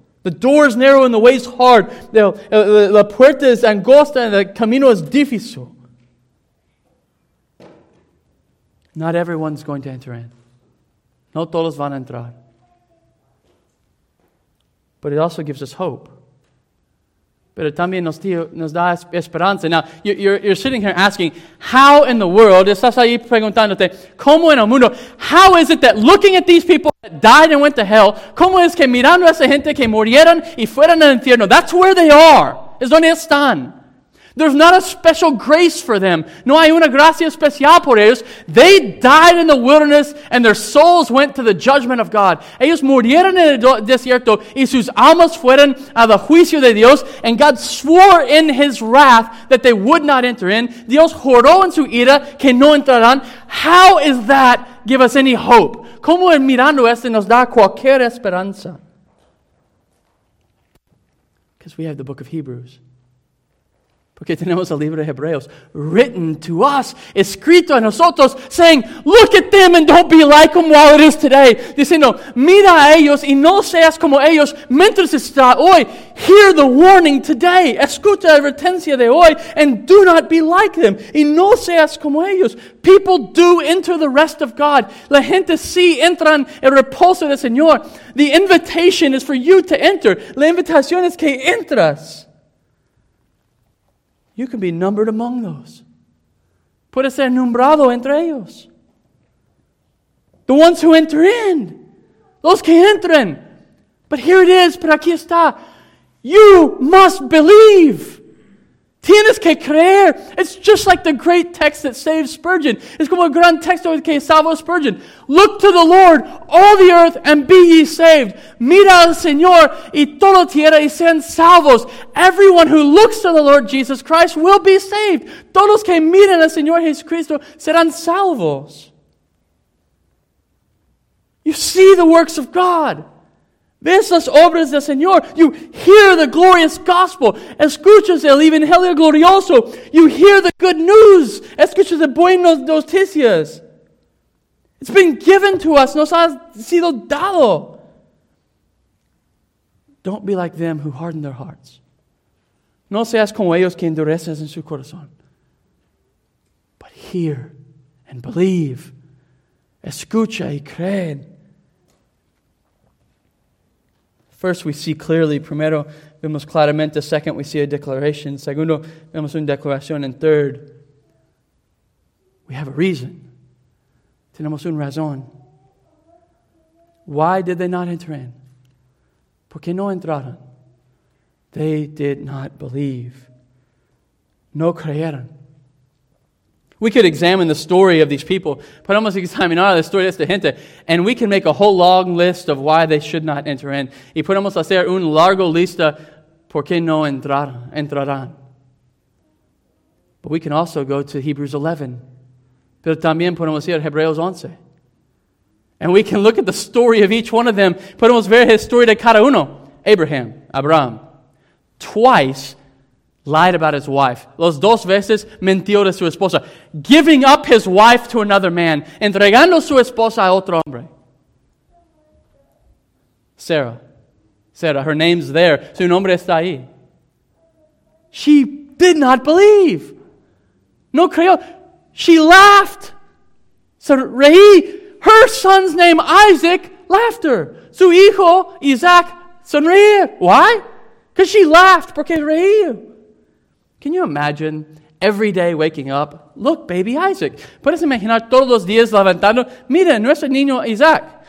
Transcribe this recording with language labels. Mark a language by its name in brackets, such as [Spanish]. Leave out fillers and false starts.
[English] The door is narrow and the way is hard. [Spanish] La puerta es angosta and the camino es difícil. [English] Not everyone's going to enter in. [Spanish] No todos van a entrar. [English] But it also gives us hope. [Spanish] Pero también nos da esperanza. [English] Now, you're sitting here asking, how in the world, [Spanish] estás ahí preguntándote, ¿cómo en el mundo? [English] How is it that looking at these people that died and went to hell, [Spanish] ¿cómo es que mirando a esa gente que murieron y fueron al infierno? [English] That's where they are. [Spanish] Es donde están. [English] There's not a special grace for them. [Spanish] No hay una gracia especial por ellos. [English] They died in the wilderness and their souls went to the judgment of God. [Spanish] Ellos murieron en el desierto y sus almas fueron a la juicio de Dios. [English] And God swore in his wrath that they would not enter in. [Spanish] Dios juró en su ira que no entrarán. [English] How is that give us any hope? [Spanish] ¿Cómo en mirando esto nos da cualquier esperanza? [English] Because we have the book of Hebrews. Okay, [Spanish] tenemos el libro de Hebreos, [English] written to us, [Spanish] escrito a nosotros, [English] saying, look at them and don't be like them while it is today. [Spanish] Diciendo, mira a ellos y no seas como ellos mientras está hoy. [English] Hear the warning today. [Spanish] Escucha la advertencia de hoy [English] and do not be like them. [Spanish] Y no seas como ellos. [English] People do enter the rest of God. [Spanish] La gente sí entran el reposo del Señor. [English] The invitation is for you to enter. [Spanish] La invitación es que entras. [English] You can be numbered among those. [Spanish] Puede ser nombrado entre ellos. [English] The ones who enter in. [Spanish] Los que entran. [English] But here it is, [Spanish] pero aquí está. [English] You must believe. [Spanish] Tienes que creer. [English] It's just like the great text that saved Spurgeon. [Spanish] Es como el gran texto que salvó Spurgeon. [English] Look to the Lord, all the earth, and be ye saved. [Spanish] Mira al Señor, y toda tierra, y sean salvos. [English] Everyone who looks to the Lord Jesus Christ will be saved. [Spanish] Todos que miren al Señor Jesucristo serán salvos. [English] You see the works of God. [Spanish] Ves las obras del Señor. [English] You hear the glorious gospel. [Spanish] Escuchas el Evangelio glorioso. [English] You hear the good news. [Spanish] Escuchas las buenas noticias. [English] It's been given to us. [Spanish] Nos ha sido dado. [English] Don't be like them who harden their hearts. [Spanish] No seas como ellos que endurecen su corazón. [English] But hear and believe. [Spanish] Escucha y creen. [English] First, we see clearly. [Spanish] Primero, vemos claramente. [English] Second, we see a declaration. [Spanish] Segundo, vemos una declaración. [English] And third, we have a reason. [Spanish] Tenemos una razón. [English] Why did they not enter in? [Spanish] ¿Por qué no entraron? [English] They did not believe. [Spanish] No creyeron. [English] We could examine the story of these people. [Spanish] Podemos examinar la historia de esta gente. [English] And we can make a whole long list of why they should not enter in. [Spanish] Y podemos hacer un largo lista por qué no entrarán. [English] But we can also go to Hebrews 11. [Spanish] Pero también podemos ir a Hebreos 11. [English] And we can look at the story of each one of them. [Spanish] Podemos ver la historia de cada uno. Abraham. Twice. [English] Lied about his wife. [Spanish] Los dos veces mintió de su esposa. [English] Giving up his wife to another man. [Spanish] Entregando su esposa a otro hombre. Sarah, [English] her name's there. [Spanish] Su nombre está ahí. [English] She did not believe. [Spanish] No creyó. [English] She laughed. So, Rehi, her son's name, Isaac, laughter. [Spanish] Su hijo, Isaac, sonríe. [English] Why? Because she laughed. [Spanish] Porque Rehi. [English] Can you imagine every day waking up? Look, baby Isaac. [Spanish] ¿Puedes imaginar todos los días levantando? Mira, nuestro niño Isaac.